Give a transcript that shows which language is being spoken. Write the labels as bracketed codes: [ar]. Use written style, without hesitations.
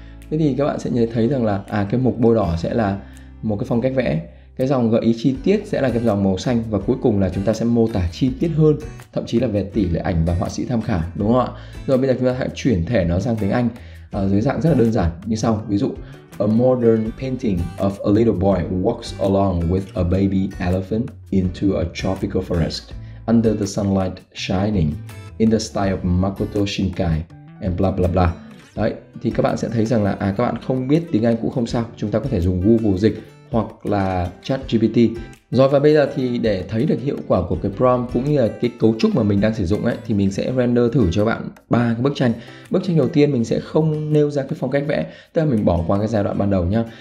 [vi] Thế thì các bạn sẽ nhận thấy rằng là cái mục bôi đỏ sẽ là một cái phong cách vẽ, cái dòng gợi ý chi tiết sẽ là cái dòng màu xanh, và cuối cùng là chúng ta sẽ mô tả chi tiết hơn, thậm chí là về tỷ lệ ảnh và họa sĩ tham khảo, đúng không ạ? Rồi bây giờ chúng ta hãy chuyển thể nó sang tiếng Anh dưới dạng rất là đơn giản như sau. Ví dụ: [en] A modern painting of a little boy walks along with a baby elephant into a tropical forest under the sunlight shining in the style of Makoto Shinkai and blah blah blah. [vi] Đấy, thì các bạn sẽ thấy rằng là các bạn không biết tiếng Anh cũng không sao, chúng ta có thể dùng Google dịch hoặc là ChatGPT. Rồi và bây giờ thì để thấy được hiệu quả của cái prompt cũng như là cái cấu trúc mà mình đang sử dụng ấy, thì mình sẽ render thử cho bạn ba cái bức tranh. Bức tranh đầu tiên mình sẽ không nêu ra cái phong cách vẽ, tức là mình bỏ qua cái giai đoạn ban đầu nhá.